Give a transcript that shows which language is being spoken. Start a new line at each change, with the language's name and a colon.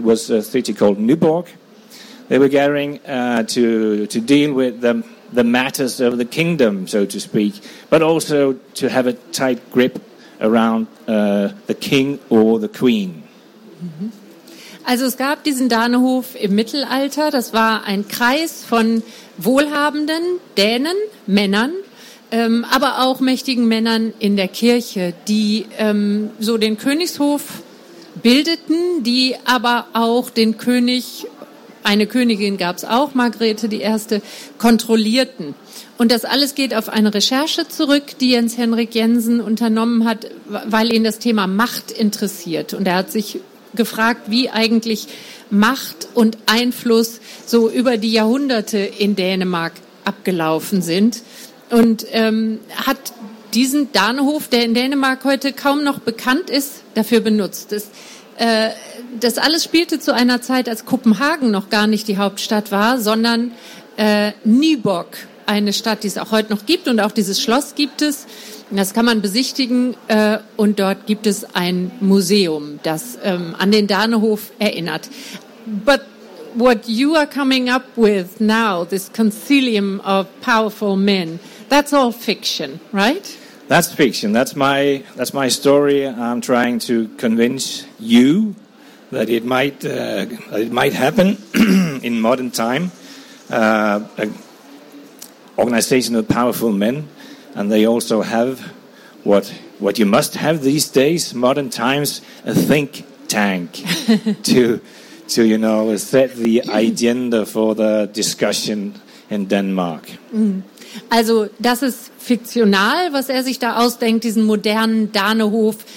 English: It was a city called Nyborg. They were gathering to deal with the matters of the kingdom, so to speak, but also to have a tight grip around the king or the queen.
German: Also es gab diesen Danehof im Mittelalter. Das war ein Kreis von wohlhabenden Dänen, Männern, aber auch mächtigen Männern in der Kirche, die so den Königshof bildeten, die aber auch den König, eine Königin gab es auch, Margrethe die Erste, kontrollierten. Und das alles geht auf eine Recherche zurück, die Jens-Henrik Jensen unternommen hat, weil ihn das Thema Macht interessiert. Und er hat sich gefragt, wie eigentlich Macht und Einfluss so über die Jahrhunderte in Dänemark abgelaufen sind. Und hat diesen Danehof, der in Dänemark heute kaum noch bekannt ist, dafür benutzt. Das alles spielte zu einer Zeit, als Kopenhagen noch gar nicht die Hauptstadt war, sondern Nyborg, eine Stadt, die es auch heute noch gibt, und auch dieses Schloss gibt es. Das kann man besichtigen und dort gibt es ein Museum, das an den Danehof erinnert.
English: But what you are coming up with now, this concilium of powerful men, that's all fiction, right? That's fiction. That's my story. I'm trying to convince you that it might happen in modern time. An organization of powerful men, and they also have what you must have these days, modern times, a think tank to you know, set the agenda for the discussion in Denmark.
German: Also, das ist fiktional, was er sich da ausdenkt, diesen modernen Danehof.